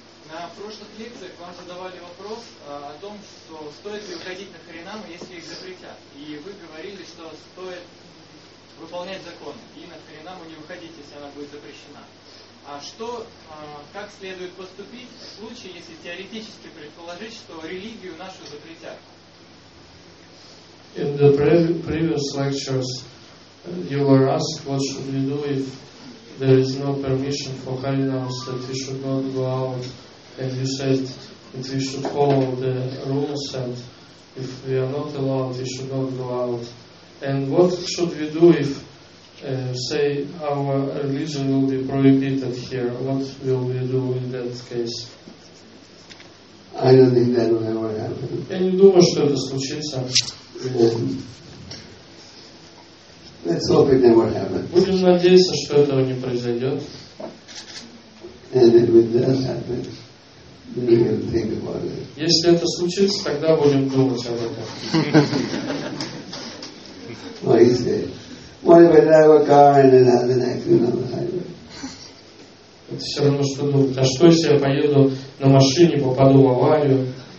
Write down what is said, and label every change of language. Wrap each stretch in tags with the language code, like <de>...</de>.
<ru>На прошлых лекциях вам задавали вопрос о том, что стоит ли уходить на харинаму, если их запретят. И вы говорили, что стоит выполнять закон и на харинаму не уходить, если она будет запрещена. А что, как следует поступить в случае, если теоретически предположить, что религию нашу запретят?</ru> <en>In the previous lectures, you were asked what should we do if there is no permission for Harinams, that we should not go out, and you said that we should follow the rules, and if we are not allowed, we should not go out. And what should we do if, say, our religion will be prohibited here? What will we do in that case? I don't think that will ever happen.</en> <ru>Я не думаю, что это случится.</ru> <en>Let's hope it never happens.</en> <ru>Будем надеяться, что этого не произойдет.</ru> <en>And if it does happen, then we will think about it.</en> <ru>Если это случится, тогда будем думать об этом.</ru> <en>What is it? What if I drive a car and then have an accident on the highway?</en> <ru>Это все равно, что думать. А что, если я поеду на машине, попаду в аварию?</ru>